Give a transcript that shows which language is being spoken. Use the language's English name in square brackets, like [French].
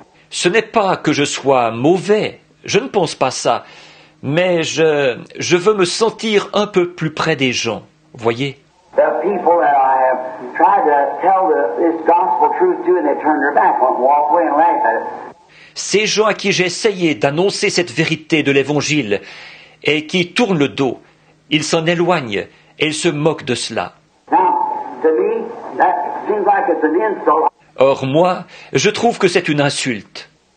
[French] Ce n'est pas que je sois mauvais, je ne pense pas ça, mais je veux me sentir un peu plus près des gens, voyez. [English] The people that I have tried to tell this gospel truth to, and they turn their back and walk away and laugh at it. [French] Ces gens à qui j'ai essayé d'annoncer cette vérité de l'Évangile et qui tournent le dos, ils s'en éloignent et ils se moquent de cela. [English] Now, to me, that seems like it's an insult. [French] Or, moi, je trouve que c'est une insulte.